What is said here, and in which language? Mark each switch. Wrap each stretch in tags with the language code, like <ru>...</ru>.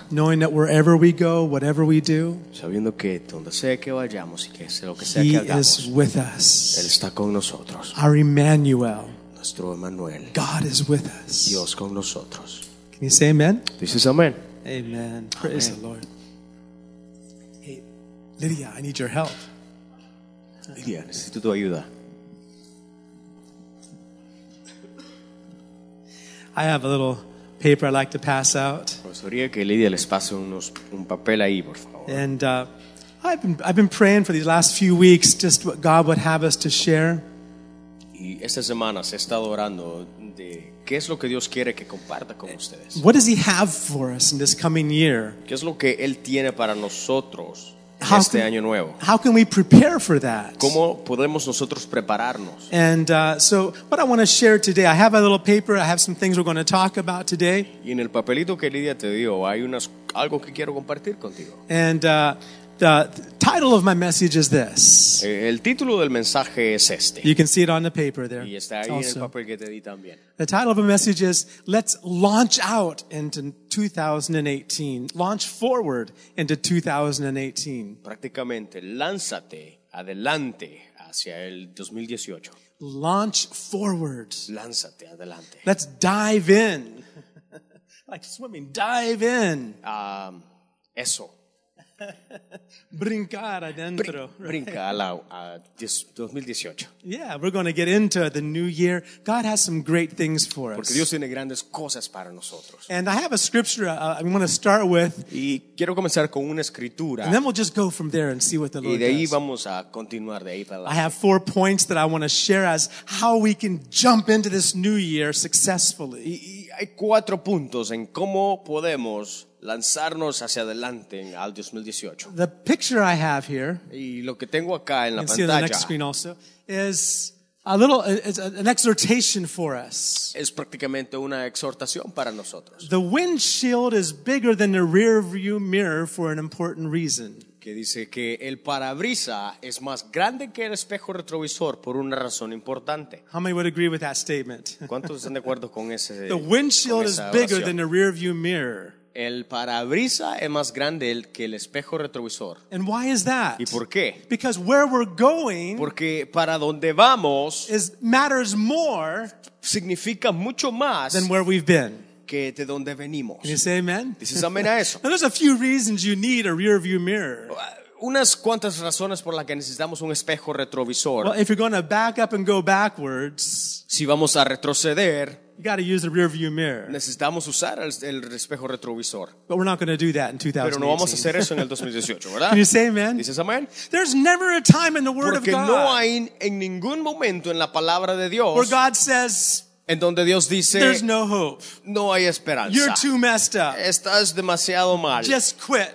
<en>Knowing that wherever we go, whatever we do,</en> <es>sabiendo que donde sea que vayamos y que sea lo que sea</es> <en>he</en> <es>que hagamos,</es> <en>is with us.</en> <es>Él está con nosotros.</es> <en>Our Emmanuel,</en> <es>nuestro Emmanuel.</es> <en>God is with us.</en> <es>Dios con nosotros.</es> <en>Can you say amen?</en> <es>Dices amen.</es> <en>Amen. Praise amen. The Lord. Hey, Lydia, I need your help.</en> <es>Lydia, necesito tu ayuda.</es> <en>I have a little paper I like to pass out. And I've been praying for these last few weeks just what God would have us to share.</en> <es>Y estas semanas he estado orando de qué es lo que Dios quiere que comparta con ustedes.</es> <en>What does He have for us in this coming year?</en> <es>¿Qué es lo que Él tiene para nosotros este año nuevo?</es> <en>How can we prepare for that?</en> <es>¿Cómo podemos nosotros prepararnos?</es> <en>And so what I want to share today, I have a little paper, I have some things we're going to talk about today.</en> <es>Y en el papelito que Lidia te dio, hay unas algo que quiero compartir contigo.</es> <en>And the title of my message is this.</en> <es>El título del mensaje es este.</es> <en>You can see it on the paper there.</en> <es>Y está ahí also en el papel que te di también.</es> <en>The title of the message is Let's Launch Out into 2018. Launch Forward into 2018.</en> <es>Prácticamente, lánzate adelante hacia el 2018.</es> <en>Launch Forward.</en> <es>Lánzate adelante.</es> <en>Let's dive in. Like swimming, dive in.</en> <es>Eso. Brincar adentro. Brinca al agua. 2018.</es> <en>Yeah, we're going to get into the new year. God has some great things for us.</en> <es>Porque Dios tiene grandes cosas para nosotros.</es> <en>And I have a scripture I want to start with.</en> <es>Y quiero comenzar con una escritura.</es> <en>And then we'll just go from there and see what the Lord does.</en> <es>Y de ahí vamos a continuar de ahí para adelante.</es> <en>I have 4 points that I want to share as how we can jump into this new year successfully.</en> <es>Y hay 4 puntos en cómo podemos lanzarnos hacia adelante al 2018.</es> <en>The picture I have here,</en> <es>y lo que tengo acá en la</es> <en>pantalla, the next screen also, is a little, it's an exhortation for us.</en> <es>Es prácticamente una exhortación para nosotros.</es> <en>The windshield is bigger than the rear view mirror for an important reason.</en> <es>Que dice que el parabrisas es más grande que el espejo retrovisor por una razón importante.</es> <en>How many would agree with that statement?</en> <es>¿Cuántos están de acuerdo con ese?</es> <en>The windshield is bigger than the rear view mirror.</en> <es>El parabrisas es más grande que el espejo retrovisor.</es> <en>And why is that?</en> <es>¿Y por qué?</es> <en>Because where we're going,</en> <es>porque para donde vamos,</es> <en>is matters more,</en> <es>significa mucho más</es> <en>than where we've been.</en> <es>que de donde venimos.</es> <en>Can you say amen?</en> <es>Dices amén a eso.</es> <en>Now, there's a few reasons you need a rear view mirror.</en> <es>Unas cuantas razones por las que necesitamos un espejo retrovisor.</es> <en>Well, if you're going to back up and go backwards,</en> <es>si vamos a retroceder,</es> <en>you got to use the rear view mirror.</en> <es>Necesitamos usar el espejo retrovisor.</es> <en>But we're not going to do that in 2018.</en> <es>Pero no vamos a hacer eso en el 2018, ¿verdad?</es> <en>Can you say amen?</en> <es>Dices amén.</es> <en>There's never a time in the Word</en> <es>Porque</es> <en>of God.</en> <es>Porque no hay en ningún momento en la palabra de Dios</es> <en>where God says,</en> <es>en donde Dios dice,</es> <en>there's no hope.</en> <es>No hay esperanza.</es> <en>You're too messed up.</en> <es>Estás demasiado mal.</es> <en>Just quit.</en>